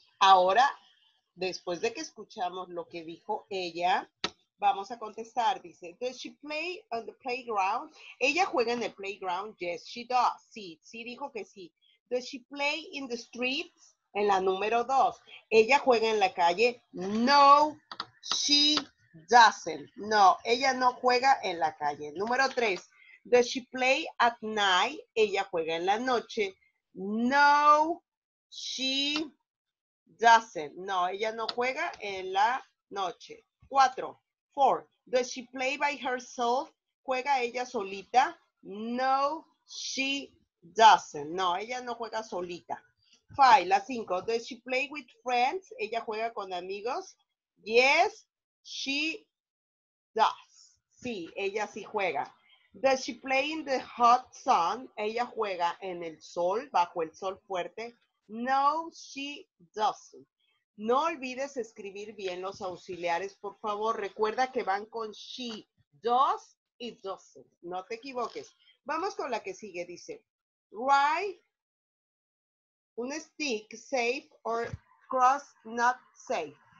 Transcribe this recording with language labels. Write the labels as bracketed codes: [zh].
[es] Ahora, después de que escuchamos lo que dijo ella, vamos a contestar. Dice, [en] does she play on the playground? [es] ¿Ella juega en el playground? [en] Yes, she does. [es] Sí, sí dijo que sí. [en] Does she play in the streets? [es] En la número dos. ¿Ella juega en la calle? [en] No, she doesn't. [es] No, ella no juega en la calle. Número tres. [en] Does she play at night? [es] Ella juega en la noche. [en] No, she doesn't. [es] No, ella no juega en la noche. Cuatro. [en] Four. Does she play by herself? [es] ¿Juega ella solita? [en] No, she doesn't. [es] No, ella no juega solita. [en] Five. [es] La cinco. [en] Does she play with friends? [es] ¿Ella juega con amigos? [en] Yes, she does. [es] Sí, ella sí juega. [en] Does she play in the hot sun? [es] ¿Ella juega en el sol, bajo el sol fuerte? [en] No, she doesn't. [es] No olvides escribir bien los auxiliares, por favor. Recuerda que van con she, does y doesn't. No te equivoques. Vamos con la que sigue, dice. Ride un stick safe or cross not safe.